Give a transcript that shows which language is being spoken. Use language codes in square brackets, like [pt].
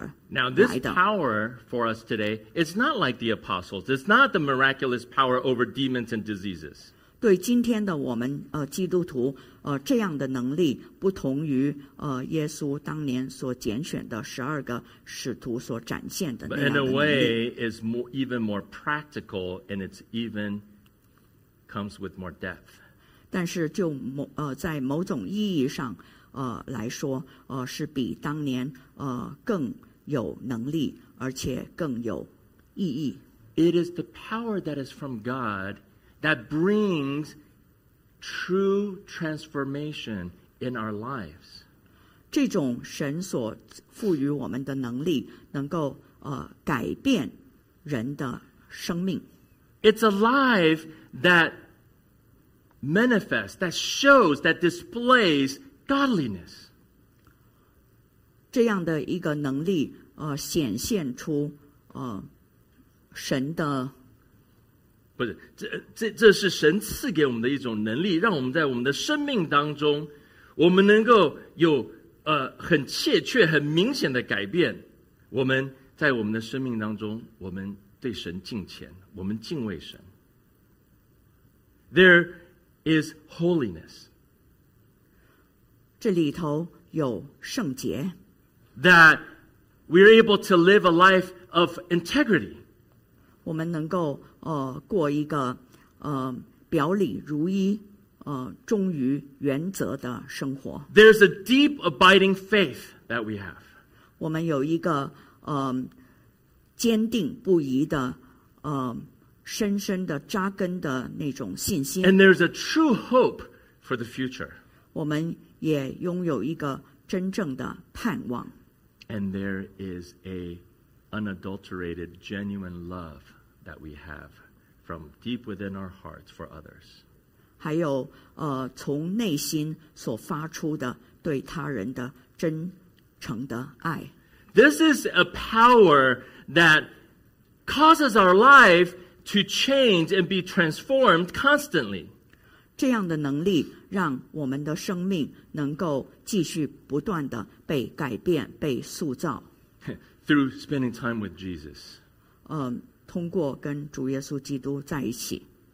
[en] Now, this power for us today, it's not like the apostles. It's not the miraculous power over demons and diseases. [zh] 对今天的我们基督徒这样的能力不同于耶稣当年所拣选的十二个使徒所展现的那样的能力。 [en] But in a way, it's more, even more practical, and it's even comes with more depth. [zh] 但是就在某种意义上来说是比当年更有能力而且更有意义。 [en] It is the power that is from God that brings true transformation in our lives. [zh] 这种神所赋予我们的能力能够改变人的生命。 [en] It's alive that manifests, that shows, that displays godliness. [zh] 这样的一个能力显现出神的不是 这是神赐给我们的一种能力让我们在我们的生命当中我们能够有很切确很明显的改变我们在我们的生命当中我们对神敬虔我们敬畏神 [en] There is holiness [zh] 这里头有圣洁 [en] That we are able to live a life of integrity [zh] 我们能够过一个表里如一忠于原则的生活 [en] There's a deep abiding faith that we have [zh] 我们有一个坚定不移的深深的扎根的那种信心 [en] And there's a true hope for the future [zh] 我们也拥有一个真正的盼望 [en] And there is a unadulterated genuine love that we have from deep within our hearts for others. [zh] 还有从内心所发出的对他人的真诚的爱。 [en] This is a power that causes our life to change and be transformed constantly. [zh] 这样的能力让我们的生命能够继续不断地被改变被塑造。 [en] Through spending time with Jesus. [zh] 通过跟主耶稣基督在一起